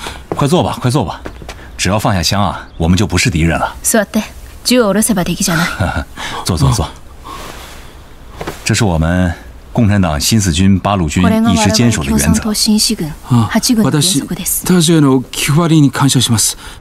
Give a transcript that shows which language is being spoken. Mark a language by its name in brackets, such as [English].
[Chinese] 快坐吧，快坐吧，只要放下枪啊，我们就不是敌人了。 [Japanese] 座って、銃を下ろせば敵じゃない。 [Chinese] 坐坐坐。这是我们共产党新四军八路军一直坚守的原则。 [Japanese] これが我々共産党新四軍八軍の原則です。私への気配りに感謝します。